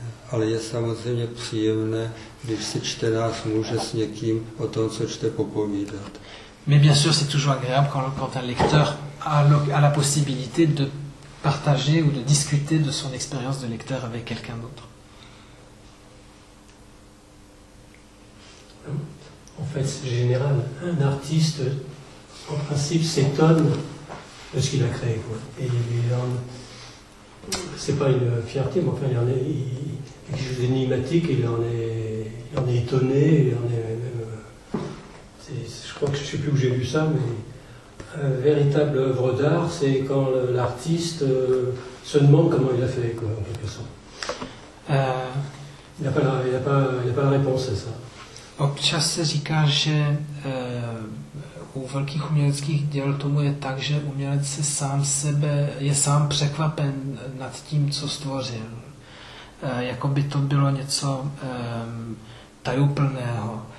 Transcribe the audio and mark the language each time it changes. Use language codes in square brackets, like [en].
[cs] Ale je samozřejmě příjemné, když se čtenář může s někým o tom, co čte, popovídat. [fr] Mais bien sûr, c'est toujours agréable quand un lecteur a la possibilité de partager ou de discuter de son expérience de lecteur avec quelqu'un d'autre. En fait, c'est général. Un artiste, en principe, s'étonne de ce qu'il a créé, quoi. Et c'est pas une fierté, mais enfin, il est énigmatique, il en est étonné, il en est même. Je crois que je ne sais plus où j'ai vu ça, mais une véritable œuvre d'art, c'est quand l'artiste se demande comment il a fait, quoi, en quelque sorte. Il n'a pas la réponse à ça. [cs] Občas se říká, že u velkých uměleckých děl tomu je tak, že umělec se sám sebe je sám překvapen nad tím, co stvořil. Jako by to bylo něco tajuplného.